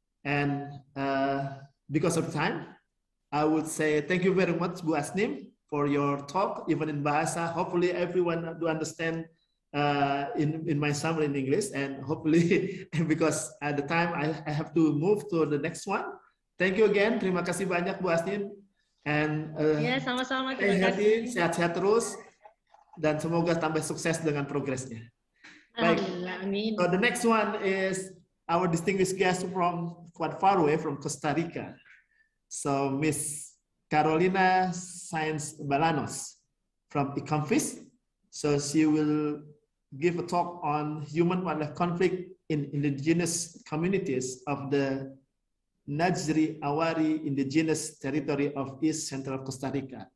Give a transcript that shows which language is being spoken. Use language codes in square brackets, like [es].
[en] And because of time, I would say thank you very much, Bu Asnim, for your talk, even in Bahasa. Hopefully everyone do understand in my summary in English, and hopefully because at the time I have to move to the next one. Thank you again. [id] Terima kasih banyak, [en] Bu Asnim. And [id] sama-sama, terima kasih. Sehat-sehat terus, dan semoga tambah sukses dengan progresnya. Amin. [en] So the next one is our distinguished guest from quite far away from Costa Rica. So Miss Carolina Sáenz Balanos from Econfis. So she will give a talk on human wildlife conflict in indigenous communities of the Najri Awari indigenous territory of East Central Costa Rica.